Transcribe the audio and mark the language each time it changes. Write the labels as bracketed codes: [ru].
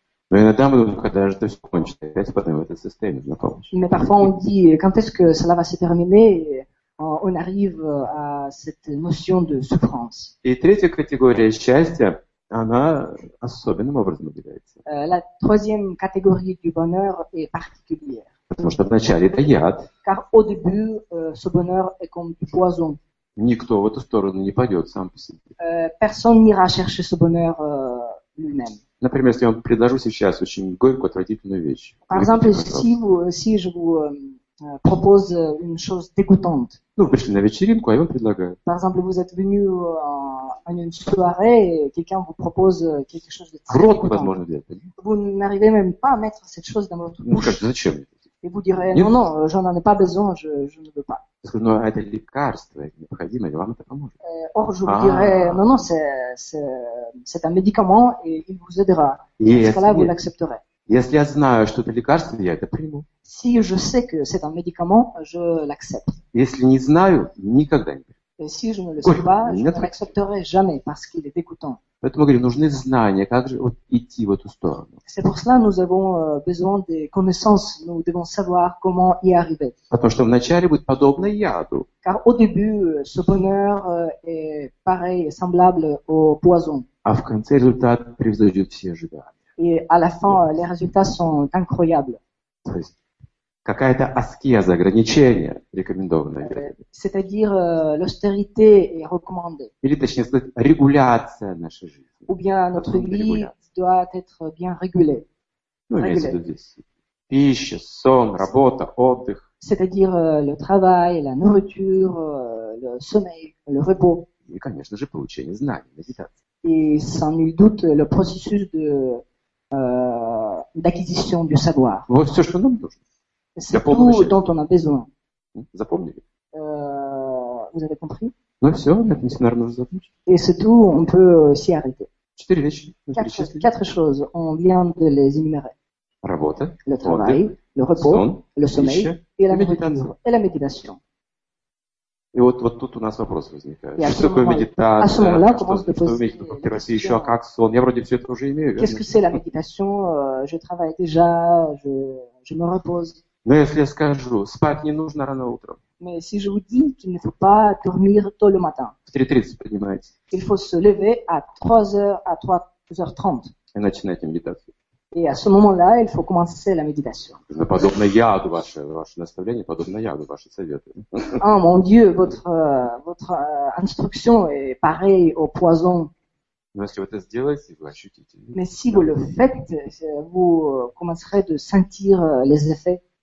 [ru] Но иногда мы думаем, когда же это все кончится, опять попадаем в это состояние, на помощь. [fr] Mais parfois on dit, quand est-ce que cela va se terminer, on arrive à cette notion de souffrance. [ru] И третья категория счастья, она особенным образом выделяется. [fr] La troisième catégorie du bonheur est particulière. [ru] Потому что вначале это яд. [fr] Car au début, ce bonheur est comme du poison. [ru] Никто в эту сторону не пойдет сам по себе. [fr] Personne n'ira chercher ce bonheur lui-même. [ru] Например, если я вам предложу сейчас очень горькую, отвратительную вещь. [fr] Par exemple, si je vous propose une chose dégoûtante. [ru] Ну, вы пришли на вечеринку, а я вам предлагаю. [fr] Par exemple, vous êtes venu en une soirée et quelqu'un vous propose quelque chose de très dégoûtant. [ru] Возможно, для этого. [fr] Vous n'arrivez même pas à mettre cette chose dans votre bouche. [ru] Ну, как, зачем? [fr] Et vous direz, [ru] нет? [fr] Non, je n'en ai pas besoin, je ne veux pas. [ru] Скажу, это лекарство, это необходимо, вам это поможет. [fr] Or, je vous dirais, non, c'est un médicament et il vous aidera. Et dans ce cas-là, vous l'accepterez. [ru] Если я знаю, что это лекарство, я это приму. [fr] Si je sais que c'est un médicament, je l'accepte. [ru] Если не знаю, никогда не приму. [fr] Et si je ne le sais pas, je ne l'accepterai jamais parce qu'il est dégoûtant. [ru] Поэтому мы говорим, нужны знания, как же вот идти в эту сторону. [fr] C'est pour cela nous avons besoin des connaissances, nous devons savoir comment y arriver. [ru] Потому что вначале будет подобно яду. [fr] Car au début, ce bonheur est pareil, semblable au poison. [ru] А в конце результат превзойдет все ожидания. [fr] Et à la fin, les résultats sont incroyables. [ru] То есть, какая-то аскеза, ограничение рекомендованное. [fr] C'est-à-dire l'austérité est recommandée. [ru] Или точнее сказать, регуляция нашей жизни. [fr] Ou bien notre vie doit être bien régulée. [ru] Ну, имеется в виду здесь пища, сон, работа, отдых. [fr] C'est-à-dire le travail, la nourriture, le sommeil, le repos. [ru] И, конечно же, получение знаний, медитация. [fr] Et sans nul doute le processus de d'acquisition du savoir. [ru] Вот все, что нам нужно. [fr] C'est tout [ru] счастья. [fr] Dont on a besoin. [ru] Запомнили? [fr] Vous avez compris? [ru] Ну все, наверное, уже закончили. [fr] Et c'est tout, on peut s'y arrêter. [ru] Четыре вещи. [fr] Quatre choses, on vient de les énumérer. [ru] Работа, [fr] le travail, [ru] отдых, [fr] le repos, [ru] сон, [fr] le sommeil et la méditation. Et la méditation. [ru] И вот, вот тут у нас вопрос возникает. Что такое медитация? А что имеете в папиросе? Еще как сон? Я вроде все это уже имею. [fr] Qu'est-ce que c'est la méditation? Je travaille déjà, je me repose. [ru] Но если я скажу, спать не нужно рано утром. [fr] Mais si je vous dis qu'il ne faut pas dormir tôt le matin. [ru] В 3:30 поднимаете. [fr] Il faut se lever à 3h, à 3h30. [ru] И начинаете медитацию. [fr] Et à ce moment-là, il faut commencer la méditation. [ru] Подобно яду ваше наставление, подобно яду ваши советы. [fr] Oh mon Dieu, votre instruction est pareille au poison. Mais si vous le faites, vous [ru] ощутите. [fr] Mais si vous le faites, vous commencerez de sentir les effets.